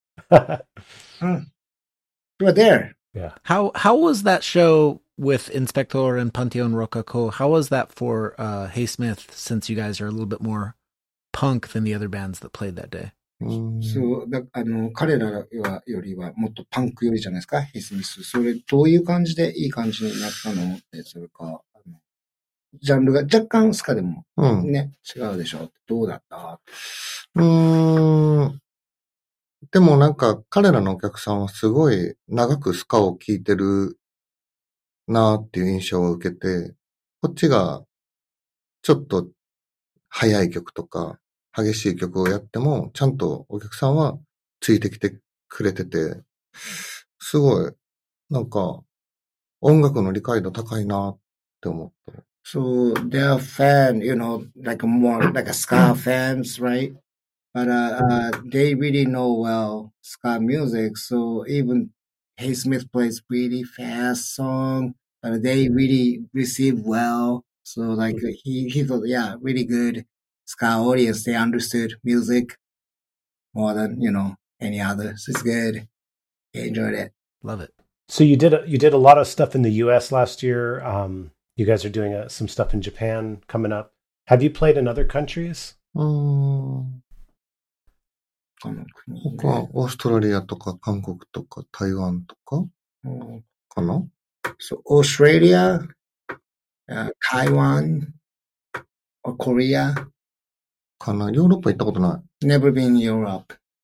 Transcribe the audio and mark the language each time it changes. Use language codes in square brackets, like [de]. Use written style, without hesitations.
[en] Yeah. You were there. Yeah. How was that show? With Inspector and Pantheon Rococo, how was that for Haysmith, since you guys are a little bit more punk than the other bands that played that day? [ja] So, あの、彼らはよりはもっとパンクよりじゃないですか、Haysmith。それどういう感じでいい感じになったの？それか、あの、ジャンルが若干スカでも、ね、違うでしょう。どうだった？でもなんか彼らのお客さんはすごい長くスカを聴いてるなーっていう印象を受けて、こっちがちょっと早い曲とか激しい曲をやってもちゃんとお客さんはついてきてくれてて、すごいなんか音楽の理解度高いなーって思った。 [en] So they're a fan, you know, like more like a ska fans, right? But they really know well ska music, so evenHaysmith plays really fast song, but they really receive well. So like he thought, yeah, really good ska audience. They understood music more than, you know, any other. So it's good. He enjoyed it. Love it. So you did a lot of stuff in the US last year. You guys are doing some stuff in Japan coming up. Have you played in other countries? [ja] 他の国、ね。他、オーストラリアとか、韓国とか、台湾とか、かな？そう、オーストラリア、台湾、コリア。かな？ヨーロッパ行ったことない。 [en] Never been Europe.